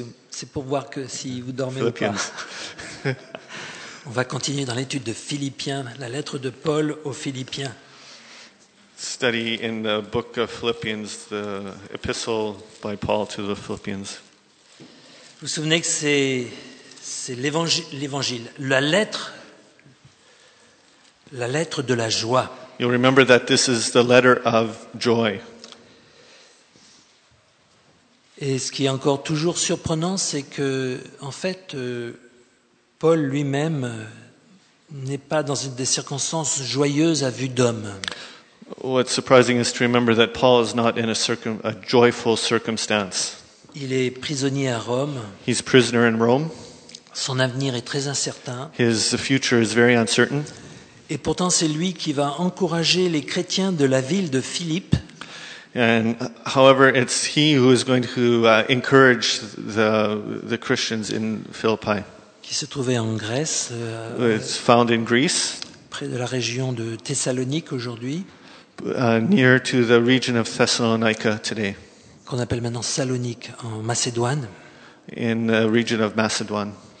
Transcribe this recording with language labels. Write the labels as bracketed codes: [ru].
[fr] C'est pour voir que si vous dormez Philippians. Ou pas. On va continuer dans l'étude de Philippiens, la lettre de Paul aux Philippiens. [en] Study in the book of Philippians, the epistle by Paul to the Philippians. [fr] Vous vous souvenez que c'est l'évangile, la lettre de la joie. [en] You'll remember that this is the letter of joy. [fr] Et ce qui est encore toujours surprenant, c'est que, en fait, Paul lui-même n'est pas dans des circonstances joyeuses à vue d'homme. [en] What's surprising is to remember that Paul is not in a joyful circumstance. [fr] Il est prisonnier à Rome. [en] He's prisoner in Rome. [fr] Son avenir est très incertain. [en] His future is very uncertain. [fr] Et pourtant, c'est lui qui va encourager les chrétiens de la ville de Philippe. [en] And however, it's he who is going to encourage the Christians in Philippi. [fr] Qui se trouvait en Grèce. [en] It's found in Greece. [fr] Près de la région de Thessalonique aujourd'hui. [en] Near to the region of Thessalonica today. [fr] Qu'on appelle maintenant Salonique en Macédoine. [en] In the region of Macedoine.